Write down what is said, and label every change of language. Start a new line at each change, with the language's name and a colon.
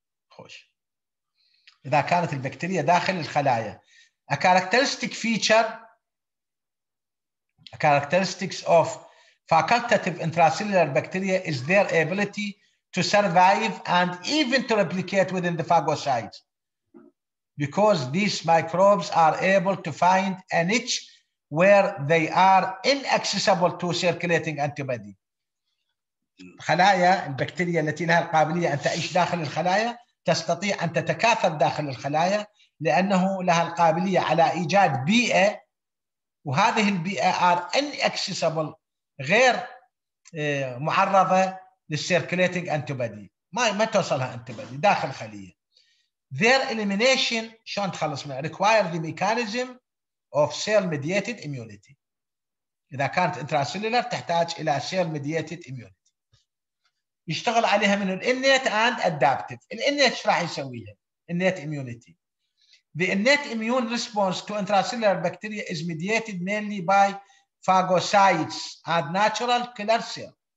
Arabic: خوش اذا كانت البكتيريا داخل الخلايا
English: A characteristic feature, characteristics of facultative intracellular bacteria is their ability to survive and even to replicate within the phagocytes. Because these microbes are able to find a niche where they are inaccessible to circulating antibody.
Arabic: خلايا البكتيريا التي لها القابلية أن تعيش داخل الخلايا تستطيع أن تتكاثر داخل الخلايا لأنه لها القابلية على إيجاد بيئة، وهذه البيئة
English: are inaccessible،
Arabic: غير معرضة للcirculating antibody، ما توصلها antibody داخل الخلية.
English: Their elimination
Arabic: شلون تخلص منها
English: require the mechanism of cell mediated immunity.
Arabic: إذا كانت intracellular تحتاج إلى cell mediated immunity. يشتغل عليها من
English: الانيت and adaptive.
Arabic: الانيت ايش راح يسويها؟ النيت اميونيتي.
English: The innate immune response to intracellular bacteria is mediated mainly by phagocytes and natural killer cells.